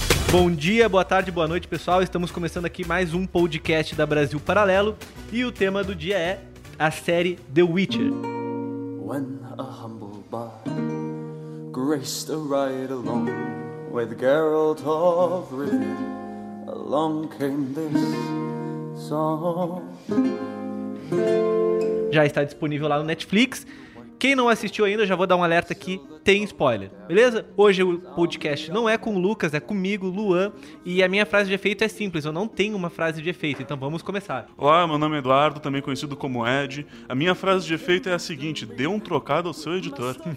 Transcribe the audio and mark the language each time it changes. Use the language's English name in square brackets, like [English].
[Portuguese] Bom dia, boa tarde, boa noite, pessoal. Estamos começando aqui mais um podcast da Brasil Paralelo e o tema do dia é a série The Witcher. [English] When a humble bard graced a ride along with Geralt of Rivia, along came this song. [Portuguese] Já está disponível lá no Netflix. Quem não assistiu ainda, já vou dar um alerta aqui, tem spoiler, beleza? Hoje o podcast não é com o Lucas, é comigo, Luan, e a minha frase de efeito é simples, eu não tenho uma frase de efeito, então vamos começar. Olá, meu nome é Eduardo, também conhecido como Ed. A minha frase de efeito é a seguinte: dê um trocado ao seu editor.